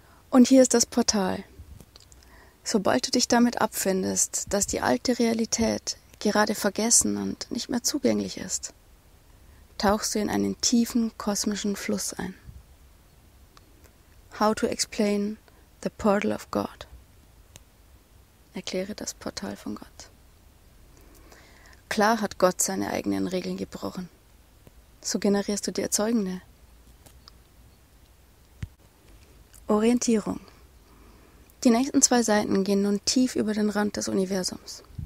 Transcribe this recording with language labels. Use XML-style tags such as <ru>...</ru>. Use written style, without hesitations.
<de>Und hier ist das Portal. Sobald du dich damit abfindest, dass die alte Realität gerade vergessen und nicht mehr zugänglich ist, tauchst du in einen tiefen kosmischen Fluss ein.</de> <en>How to explain the portal of God.</en> <de>Erkläre das Portal von Gott. Klar hat Gott seine eigenen Regeln gebrochen. So generierst du die Erzeugende. Orientierung. Die nächsten zwei Seiten gehen nun tief über den Rand des Universums.</de>